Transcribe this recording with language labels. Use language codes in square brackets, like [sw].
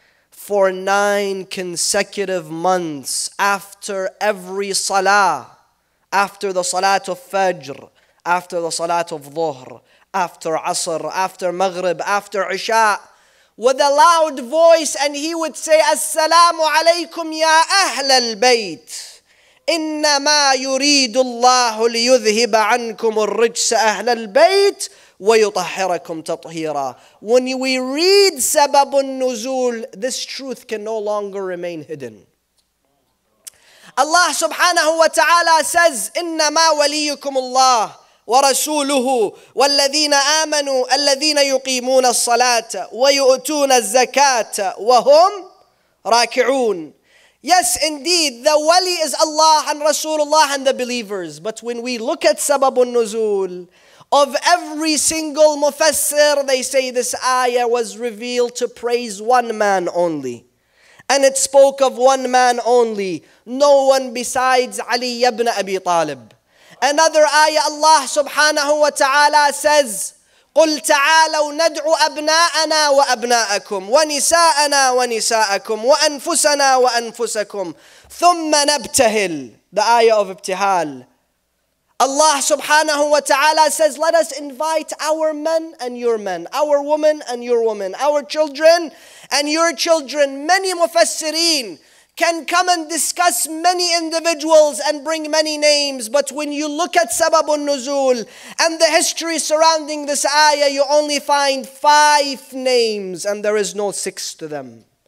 [en] for 9 consecutive months after every salah, after the salat of Fajr, after the salat of Dhuhr, after Asr, after Maghrib, after Isha, with a loud voice, and he would say, Assalamu alaykum ya Ahlul Bayt. [ar] إنما يريد الله ليذهب عنكم الرجس أهل البيت ويطهركم تطهيرا. [en] When we read سبب النزول, this truth can no longer remain hidden. [ar] Allah subhanahu wa ta'ala says, إنما وليكم الله ورسوله والذين آمنوا الذين يقيمون الصلاة ويؤتون الزكاة وهم راكعون. [en] Yes, indeed, the wali is Allah and Rasulullah and the believers. But when we look at sababun nuzul, of every single mufassir, they say this ayah was revealed to praise one man only. And it spoke of one man only, no one besides Ali ibn Abi Talib. [ar] Another ayah, Allah subhanahu wa ta'ala says, قُلْ تَعَالَوْ نَدْعُ أَبْنَاءَنَا وَأَبْنَاءَكُمْ وَنِسَاءَنَا وَنِسَاءَكُمْ وَأَنفُسَنَا وَأَنفُسَكُمْ ثُمَّ نَبْتَهِلْ. [en] The ayah of ibtihal. Allah subhanahu wa ta'ala says, let us invite our men and your men, our women and your women, our children and your children. Many mufassireen can come and discuss many individuals and bring many names, but when you look at Sababun Nuzul and the history surrounding this ayah, you only find five names and there is no six to them.